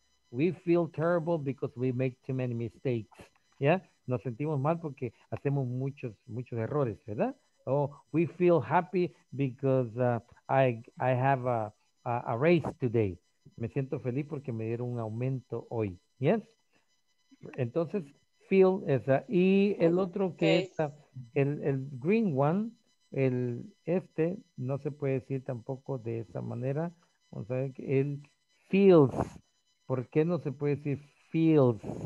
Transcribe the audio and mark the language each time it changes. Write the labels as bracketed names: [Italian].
[English] We feel terrible because we make too many mistakes. Yeah? [Spanish] Nos sentimos mal porque hacemos muchos errores, ¿verdad? [English] Oh, we feel happy because I have a raise today. [Spanish] Me siento feliz porque me dieron un aumento hoy. Yes? Entonces, feel esa. Y el otro que es el [English] green one, [Spanish] este, no se puede decir tampoco de esa manera. Vamos a ver que el feels. ¿Por qué no se puede decir feels?